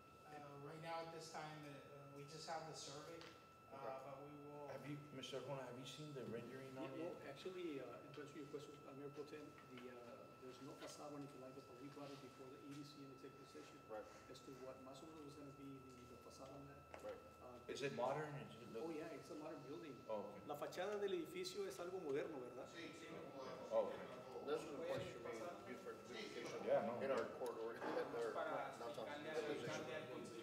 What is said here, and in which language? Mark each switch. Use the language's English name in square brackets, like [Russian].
[English] Right now, at this time, we just have the survey, but we will. Have you, Mr. Juan, have you seen the rendering on it? Well, actually, in terms of your question, Mayor Protem, there's no facade on it, but we brought it before the EDC and the executive session. Right. As to what Maso was gonna be, the facade on that. Right. Is it modern? Oh, yeah, it's a modern building. Oh, okay. [Spanish] La fachada del edificio es algo moderno, ¿verdad? Sí, sí. [English] Okay. This is a question we need for communication. Yeah, no. In our court order, that they're not on.